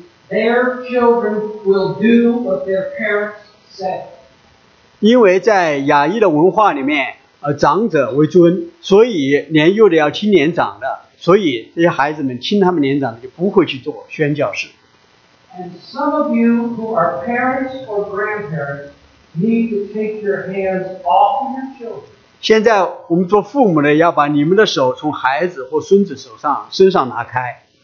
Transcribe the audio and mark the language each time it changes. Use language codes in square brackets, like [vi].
[en] Their children will do what their parents say. [zh] 因为在亚裔的文化里面，长者为尊，所以年幼的要听年长的，所以这些孩子们听他们年长的，就不会去做宣教士。 [en] And some of you who are parents or grandparents need to take your hands off of your children. [zh] 现在我们做父母的，要把你们的手从孩子或孙子手上拿开。